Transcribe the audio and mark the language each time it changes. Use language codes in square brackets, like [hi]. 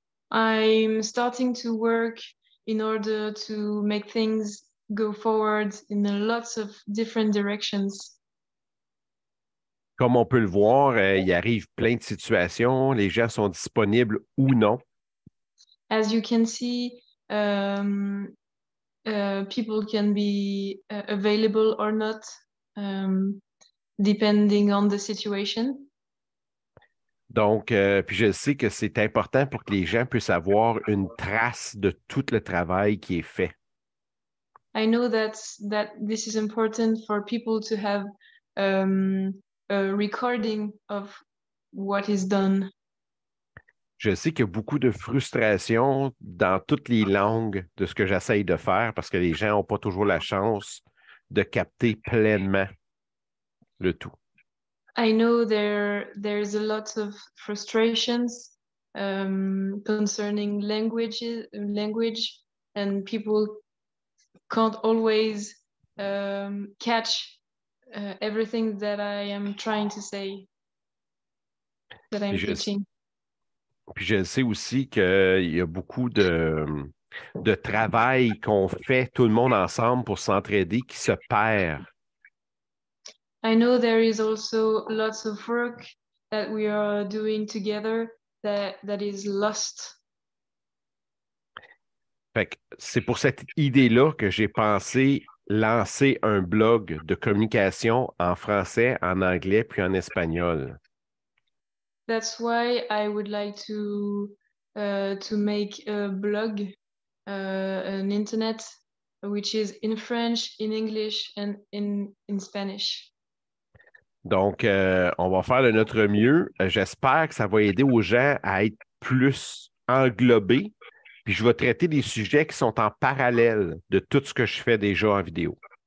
[en] I'm starting to work in order to make things go forward in lots of different directions. [fr] Comme on peut le voir, il arrive plein de situations, les gens sont disponibles ou non. [en] As you can see, people can be available or not, depending on the situation. [fr] Donc, puis je sais que c'est important pour que les gens puissent avoir une trace de tout le travail qui est fait. [en] I know that this is important for people to have a recording of what is done. [fr] Je sais qu'il y a beaucoup de frustration dans toutes les langues de ce que j'essaye de faire parce que les gens n'ont pas toujours la chance de capter pleinement le tout. [en] I know there's a lot of frustrations concerning language and people can't always catch everything that I am trying to say, that I'm teaching. [fr] Puis je sais aussi qu'il y a beaucoup de travail qu'on fait tout le monde ensemble pour s'entraider qui se perd. [en] I know there is also lots of work that we are doing together that is lost. [fr] Fait que c'est pour cette idée-là que j'ai pensé lancer un blog de communication en français, en anglais, puis en espagnol. [en] That's why I would like to make a blog, an internet, which is in French, in English, and in Spanish. [fr] Donc, on va faire de notre mieux. J'espère que ça va aider aux gens à être plus englobés. Puis je vais traiter des sujets qui sont en parallèle de tout ce que je fais déjà en vidéo.